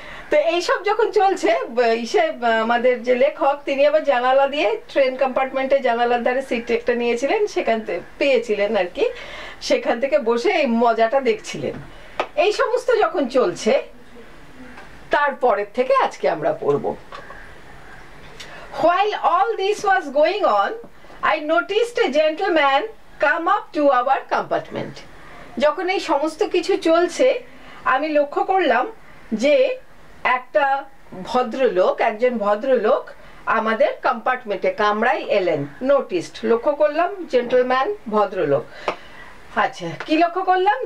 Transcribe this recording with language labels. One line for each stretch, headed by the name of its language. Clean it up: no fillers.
Bangla: তো এইসব যখন চলছে, আমাদের যে লেখক তিনি আবার জানালা দিয়ে ট্রেন কম্পার্টমেন্টে জানালার ধারে সিট একটা নিয়েছিলেন, সেখান থেকে পেয়েছিলেন আর কি, সেখান থেকে বসে এই মজাটা দেখছিলেন। এই সমস্ত যখন চলছে, তারপরের থেকে আজকে আমরা পড়ব।
English: While all this was going on, I noticed a gentleman come up to our compartment.
Bangla: যখন এই সমস্ত কিছু চলছে, আমি লক্ষ্য করলাম যে একটা ভদ্রলোক, একজন ভদ্রলোক আমাদের কম্পার্টমেন্টে কামরায় এলেন। নোটিস্ট, লক্ষ্য করলাম, জেন্টলম্যান, ভদ্রলোক। আচ্ছা, কি লক্ষ্য করলাম?